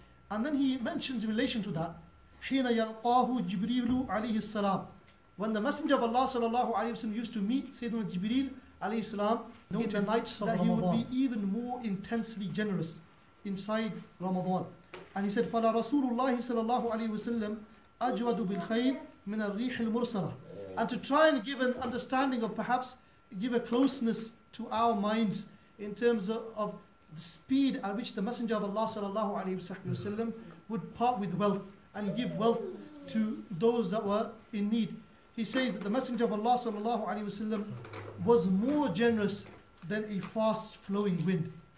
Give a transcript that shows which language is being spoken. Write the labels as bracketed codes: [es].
[en] And then he mentions in relation to that, [ar] حِينَ يَلْقَاهُ جِبْرِيلُ عَلَيْهِ السَّلَامُ, [en] when the Messenger of Allah sallallahu alayhi wa sallam used to meet Sayyidina Jibreel alayhi salam in the nights of Ramadan, he would be even more intensely generous inside Ramadan. And he said, [ar] فَلَا رَسُولُ اللَّهِ sallallahu alayhi wa sallam أَجْوَدُ بِالْخَيْرِ مِنَ الرِّيحِ الْمُرْسَلَةِ. [en] And to try and give an understanding of, perhaps give a closeness to our minds in terms of the speed at which the Messenger of Allah sallallahu alayhi wasallam would part with wealth and give wealth to those that were in need, he says that the Messenger of Allah sallallahu alayhi wasallam was more generous than a fast flowing wind.